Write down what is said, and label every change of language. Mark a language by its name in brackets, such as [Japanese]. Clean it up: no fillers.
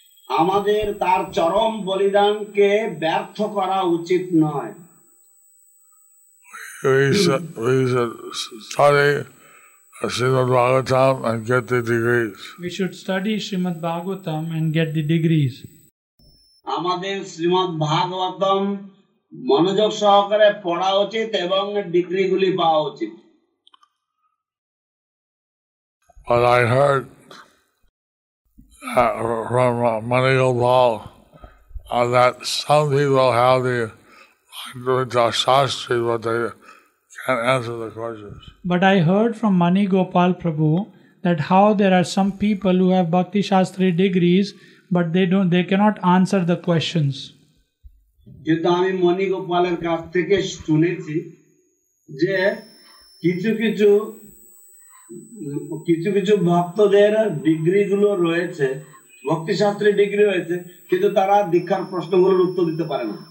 [Bangla] Amader tar charom bolidan ke byartho kora uchit noy. [English] We should study Srimad Bhagavatam and get the degrees. We should study Srimad Bhagavatam and get the degrees. [Bangla] Amader Srimad Bhagavatam মনোযোগ সহকারে পড়া উচিত এবং degree গুলি পাওয়া উচিত। [English] But I heard that from Manigal Bal that some people have the Bhagavata Shastri but they can't answer the questions. But I heard from Manigopal Prabhu that how there are some people who have Bhakti Shastri degrees but they cannot answer the questions. [Bangla] কিন্তু আমি মণিগোপালের কাছ থেকে শুনেছি যে কিছু কিছু কিছু কিছু ভক্তদের ডিগ্রিগুলো রয়েছে, ভক্তিশাস্ত্রের ডিগ্রি রয়েছে, কিন্তু তারা দীক্ষার প্রশ্নগুলোর উত্তর দিতে পারে